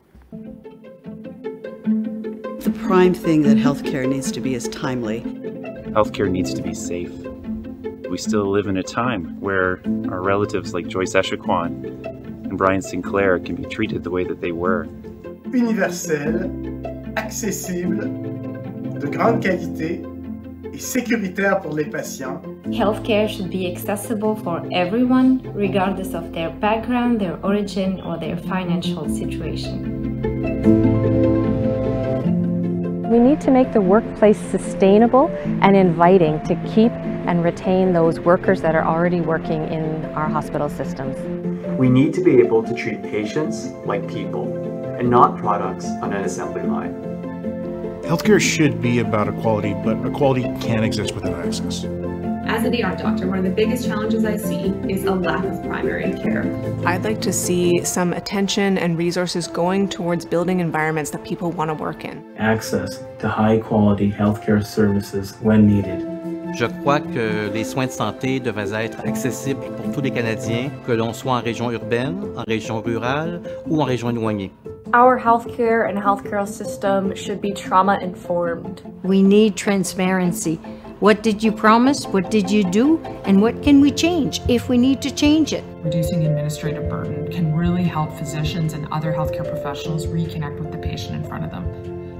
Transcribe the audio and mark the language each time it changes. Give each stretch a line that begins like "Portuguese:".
English: The prime thing that healthcare needs to be is timely. Healthcare needs to be safe. We still live in a time where our relatives like Joyce Echaquan and Brian Sinclair can be treated the way that they were.
French: Universel, accessible, de grande qualité et sécuritaire pour les patients.
English: Healthcare should be accessible for everyone, regardless of their background, their origin, or their financial situation. We need to make the workplace sustainable and inviting to keep and retain those workers that are already working in our hospital systems. We need to be able to treat patients like people and not products on an assembly line. Healthcare should be about equality, but equality can't exist without access. As an ER doctor, one of the biggest challenges I see is a lack of primary care. I'd like to see some attention and resources going towards building environments that people want to work in. Access to high quality healthcare services when needed.
French: Je crois que les soins de santé devraient être accessibles pour tous les Canadiens, que l'on soit en région urbaine, en région rurale ou en région éloignée.
English: Our healthcare and healthcare system should be trauma informed. We need transparency. What did you promise? What did you do? And what can we change if we need to change it? Reducing administrative burden can really help physicians and other healthcare professionals reconnect with the patient in front of them.